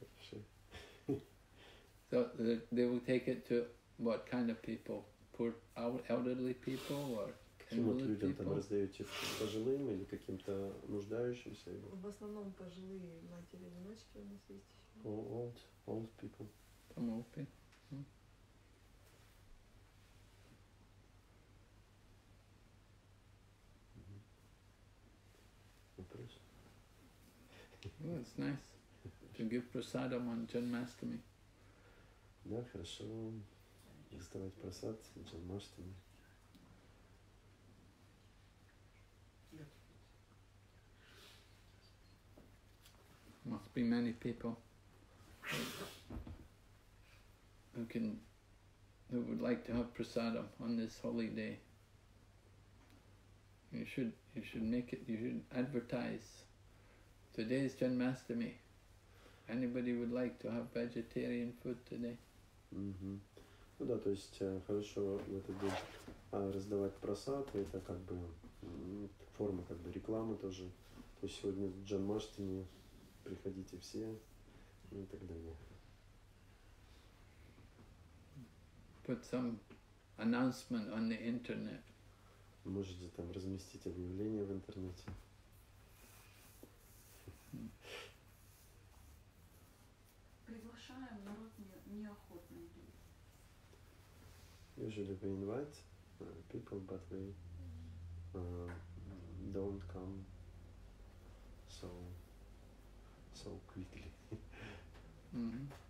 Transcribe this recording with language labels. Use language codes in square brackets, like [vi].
[en] So they will take it to what kind of people? For elderly people or elderly [ru] пожилым или каким-то нуждающимся? В основном пожилые матери-одиночки у нас есть еще. [en] Old people. From old people. [ru] Вопрос? [en] Well, it's nice to give prasadam on Janmashtami. [ru] Да, хорошо. Доставать просад Janmashtami. [en] Must be many people who would like to have prasadam on this holy day. You should make it, you should advertise. Today is Janmashtami. Anybody would like to have vegetarian food today? [ru] Ну да, то есть хорошо в этот день раздавать просад, это как бы форма как бы рекламы тоже. то сегодня в Джанмаштами приходите все, ну и так далее. [en] Put some announcement on the internet. [ru] Можете там разместить объявление в интернете. Приглашаем, народ неохотно идет. [en] Usually we invite people, but we don't come so quickly. Mm-hmm.